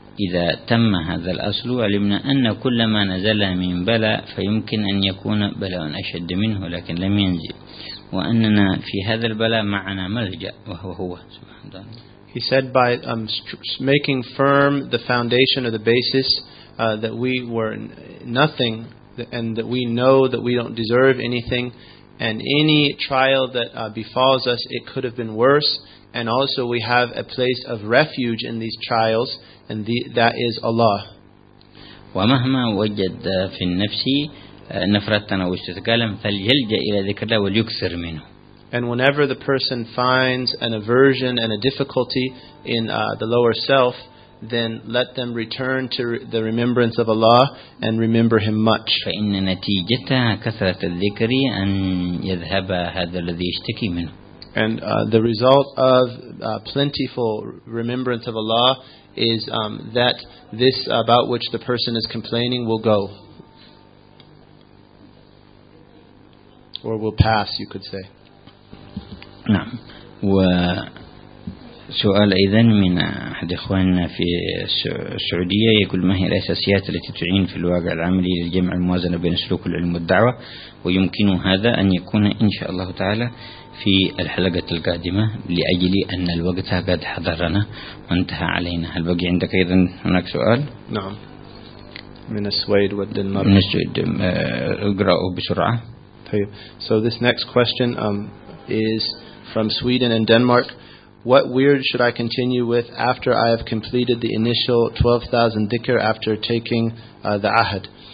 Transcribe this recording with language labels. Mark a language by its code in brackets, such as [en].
[ar] إذا تم هذا الأصل علمنا أن كل ما نزل من بلاء فيمكن أن يكون بلاء أشد منه لكن لم ينزل وأننا في هذا البلاء معنا ملجأ وهو هو سبحانه وتعالى. [en] He said by making firm the foundation or the basis that we were nothing and that we know that we don't deserve anything and any trial that befalls us it could have been worse and also we have a place of refuge in these trials and that is Allah. [ar] ومهما وجد في النفس نفرة أو استثقالاً فليلجأ إلى ذكر الله وليكثر منه. [en] And whenever the person finds an aversion and a difficulty in the lower self, then let them return to the remembrance of Allah and remember Him much. [ar] فإن نتيجة كثرة الذكر أن يذهب هذا الذي يشتكي منه. [en] And the result of plentiful remembrance of Allah is that this about which the person is complaining will go. Or will pass, you could say. [ar] نعم. وسؤال إذن من أحد إخواننا في السعودية يقول ما هي الأساسيات التي تعين في الواقع العملي للجمع الموازنة بين سلوك العلم والدعوة ويمكن هذا أن يكون إن شاء الله تعالى في الحلقة القادمة لأجل أن الوقت قد حضرنا وانتهى علينا. هل بقي عندك أيضا هناك سؤال؟ نعم من السويد والدنمارك. من السويد. اقرأه بسرعة. طيب. [en] So this next question is from Sweden and Denmark. What weird should I continue with after I have completed the initial 12,000 dhikr after taking the ahad?